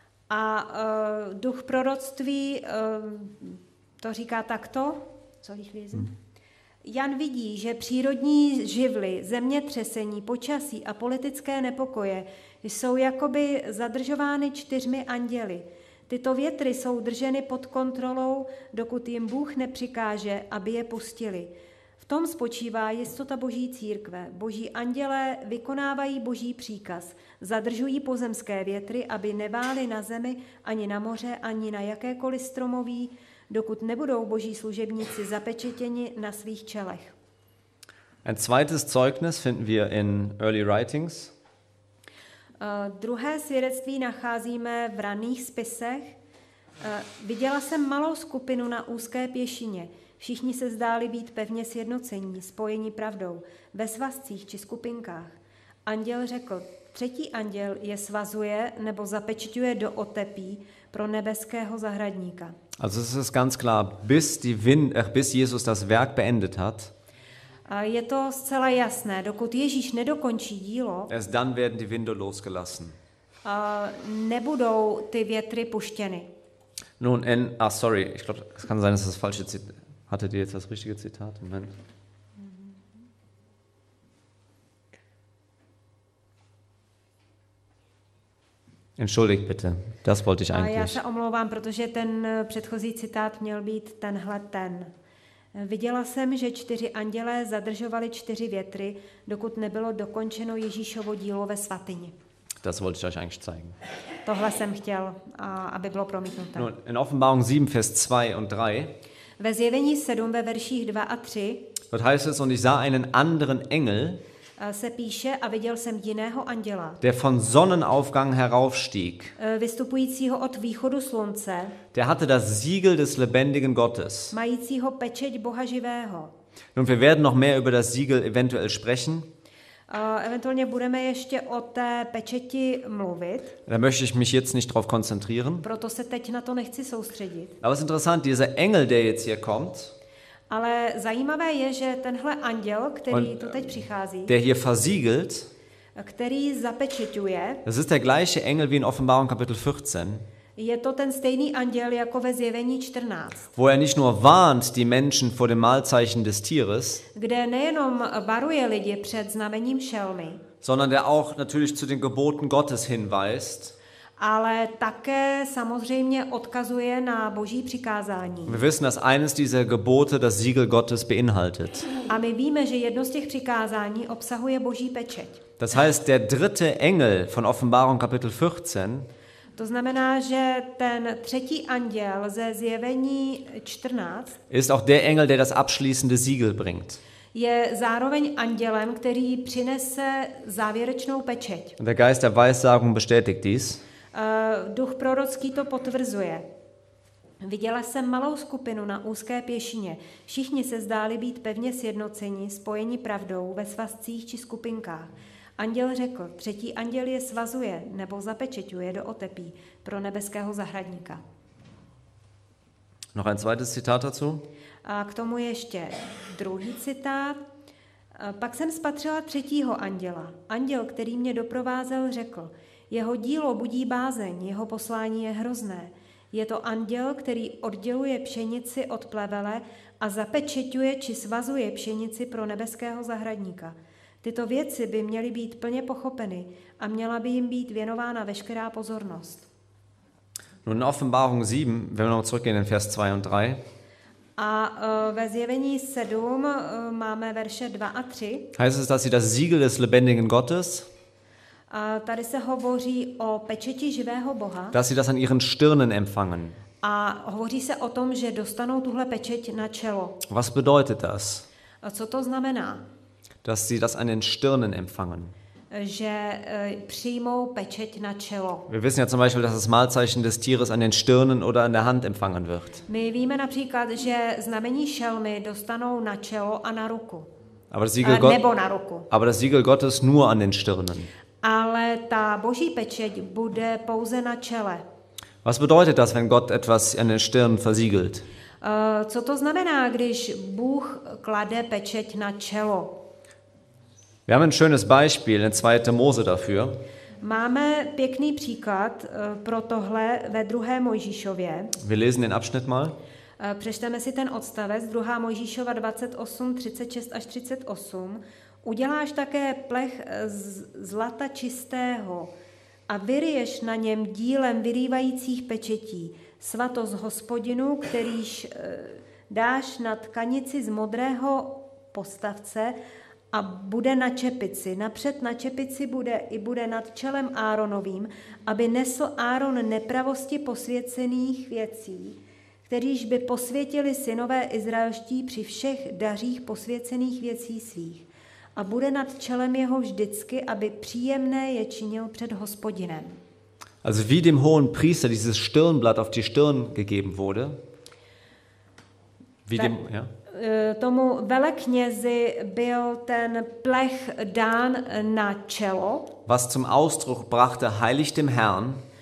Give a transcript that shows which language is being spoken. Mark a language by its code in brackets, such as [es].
[cs] A duch proroctví to říká takto. Co jich lézem? Jan vidí, že přírodní živly, zemětřesení, počasí a politické nepokoje jsou jakoby zadržovány čtyřmi anděly. Tyto větry jsou drženy pod kontrolou, dokud jim Bůh nepřikáže, aby je pustili. V tom spočívá jistota Boží církve. Boží andělé vykonávají Boží příkaz. Zadržují pozemské větry, aby nevály na zemi, ani na moře, ani na jakékoliv stromoví, dokud nebudou Boží služebníci zapečetěni na svých čelech. [de] Ein zweites Zeugnis finden wir in early writings. [cs] Druhé svědectví nacházíme v raných spisech. Viděla jsem malou skupinu na úzké pěšině. Všichni se zdáli být pevně sjednocení, spojeni pravdou, ve svazcích či skupinkách. Anděl řekl, třetí anděl je svazuje nebo zapečťuje do otepí pro nebeského zahradníka. [de] Also es ist ganz klar, bis die Wind, bis Jesus das Werk beendet hat. [cs] Je to zcela jasné, dokud Ježíš nedokončí dílo, [de] erst dann werden die Winde losgelassen. [cs] Nebudou ty větry puštěny. [de] Nun, in, ah, sorry, ich glaube, es kann sein, dass das falsche Zitat. Hattet ihr jetzt das richtige Zitat? Moment. Entschuldigt bitte. Das wollte ich eigentlich. [cs] Já se omlouvám, protože ten předchozí citát měl být tenhle ten. Viděla jsem, že čtyři andělé zadržovali čtyři větry, dokud nebylo dokončeno Ježíšovo dílo ve svatyni. [de] Das wollte ich euch eigentlich zeigen. [cs] Tohle jsem chtěl, aby bylo promítnuté. [de] Nun, in Offenbarung 7, Vers 2 und 3. [cs] Ve zjevení 7 ve verších 2 a 3. [de] Dort heißt es, und ich sah einen anderen Engel. [cs] Se píše, a viděl jsem jiného anděla, [de] der von Sonnenaufgang heraufstieg, [cs] vystupujícího od východu slunce, [de] der hatte das Siegel des lebendigen Gottes, [cs] majícího pečeť Boha živého. [de] Nun, wir werden noch mehr über das Siegel eventuell sprechen. [cs] Eventuálně budeme ještě o té pečeti mluvit. [de] Da möchte ich mich jetzt nicht drauf konzentrieren. [cs] Proto se teď na to nechci soustředit. [de] Aber es ist interessant, dieser Engel, der jetzt hier kommt, [cs] ale zajímavé je, že tenhle anděl, který tu teď přichází, [de] der hier versiegelt, [cs] který zapečeťuje, [de] das ist der gleiche Engel wie in Offenbarung Kapitel 14, [cs] je to ten stejný anděl jako ve zjevení 14, [de] wo er nicht nur warnt die Menschen vor dem Mahlzeichen des Tieres, [cs] kde nejenom varuje lidi před znamením šelmy, [de] sondern der auch natürlich zu den Geboten Gottes hinweist, [cs] ale také samozřejmě odkazuje na Boží přikázání. [de] Wir wissen, dass eines dieser Gebote das Siegel Gottes beinhaltet. [cs] A my víme, že jedno z těch přikázání obsahuje Boží pečeť. [de] Das heißt, der dritte Engel von Offenbarung Kapitel 14. [cs] To znamená, že ten třetí anděl ze zjevení 14 [de] ist auch der Engel, der das abschließende Siegel bringt. [cs] Je zároveň andělem, který přinese závěrečnou pečeť. [de] Der Geist der Weissagung bestätigt dies. [cs] Duch prorocký to potvrzuje. Viděla jsem malou skupinu na úzké pěšině. Všichni se zdáli být pevně sjednoceni, spojeni pravdou ve svazcích či skupinkách. Anděl řekl, třetí anděl je svazuje nebo zapečeťuje do otepí pro nebeského zahradníka. [de] Noch ein zweites Zitat dazu. [cs] A k tomu ještě druhý citát. Pak jsem spatřila třetího anděla. Anděl, který mě doprovázel, řekl, jeho dílo budí bázeň, jeho poslání je hrozné. Je to anděl, který odděluje pšenici od plevele a zapečeťuje či svazuje pšenici pro nebeského zahradníka. Tyto věci by měly být plně pochopeny a měla by jim být věnována veškerá pozornost. [de] Nun, Offenbarung 7, wenn wir noch zurückgehen in Vers 2 und 3. [cs] A ve zjevení 7 máme verše 2 a 3. [de] Heißt es, dass sie das Siegel des lebendigen Gottes? [cs] A tady se hovoří o pečeti živého Boha. [de] Dass sie das an ihren Stirnen empfangen. [cs] A hovoří se o tom, že dostanou tuhle pečeť na čelo. [de] Was bedeutet das? [cs] A co to znamená? [de] Dass sie das an den Stirnen empfangen. [cs] Že přijmou pečeť na čelo. [de] Wir wissen ja zum Beispiel, dass das Mahlzeichen des Tieres an den Stirnen oder an der Hand empfangen wird. [cs] My víme například, že znamení šelmy dostanou na čelo a na ruku. [de] Aber das Siegel Gottes. [cs] Nebo na ruku. [de] Aber das Siegel Gottes nur an den Stirnen. [cs] Ale ta Boží pečeť bude pouze na čele. [de] Was bedeutet das, wenn Gott etwas an den Stirn versiegelt? [cs] Co to znamená, když Bůh klade pečeť na čelo? [de] Wir haben ein schönes Beispiel in 2. Mose dafür. [cs] Máme pěkný příklad pro tohle ve 2. Mojžíšově. [de] Wir lesen den Abschnitt mal. [cs] Přečteme si ten odstavec 2. Mojžíšova 28, 36 až 38. Uděláš také plech z zlata čistého a vyryješ na něm dílem vyrývajících pečetí svatost Hospodinu, kterýž dáš na tkanici z modrého postavce a bude na čepici. Napřed na čepici bude i bude nad čelem Áronovým, aby nesl Áron nepravosti posvěcených věcí, kterýž by posvětili synové izraelští při všech dařích posvěcených věcí svých. A bude nad čelem jeho vždycky, aby příjemné je činil před Hospodinem. [de] Also wie dem hohen Priester dieses Stirnblatt auf die Stirn gegeben wurde. Wie dem, ja. [cs] Tomu veleknězi byl ten plech dán na čelo. [de] Was zum Ausdruck brachte heilig dem Herrn.